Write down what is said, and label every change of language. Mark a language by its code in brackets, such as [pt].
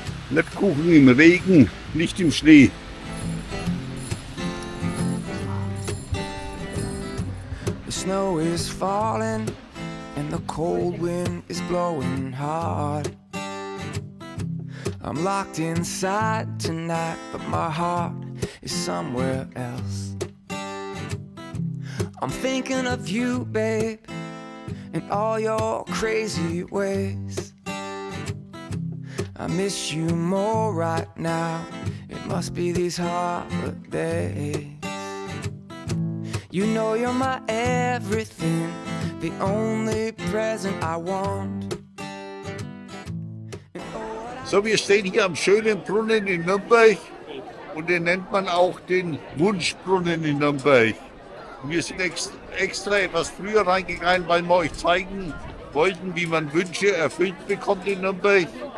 [de] Lebkuchen im Regen, nicht im Schnee. [en] The snow is falling and the cold wind is blowing hard. I'm locked inside tonight, but my heart is somewhere else. I'm thinking of you, babe, and all your crazy ways. I miss you more right now. It must be these holidays. You know you're my everything, the only present I want. [de] So, wir stehen hier am schönen Brunnen in Nürnberg und den nennt man auch den Wunschbrunnen in Nürnberg. Wir sind extra etwas früher reingegangen, weil wir euch zeigen wollten, wie man Wünsche erfüllt bekommt in Nürnberg.